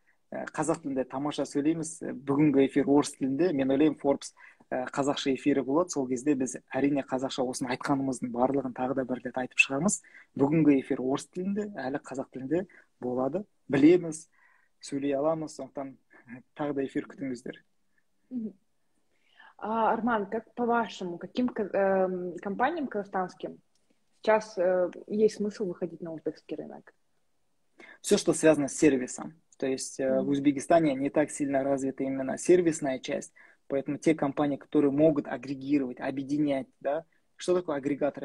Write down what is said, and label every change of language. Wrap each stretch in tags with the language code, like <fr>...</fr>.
<kk>Қазақ тілінде тамаша сөйлейміз. Бүгінгі эфир орыс тілінде. Мен ойлаймын, Forbes қазақша эфирі болады. Сол кезде біз әрине қазақша осын айтқанымыздың барлығын тағы да бір рет айтып шығамыз. Бүгінгі эфир орыс тілінде, әлі қазақ тілінде болады. Білеміз, сөйлей аламыз. Сондықтан тағы да эфир күтіңіздер.</kk> <ru>Арман, как по-вашему, каким компаниям казахстанским сейчас есть смысл выходить на узбекский рынок? Все, что связано с сервисом. То есть в Узбекистане не так сильно развита именно сервисная часть, поэтому те компании, которые могут агрегировать, объединять, да, что такое агрегатор?</ru>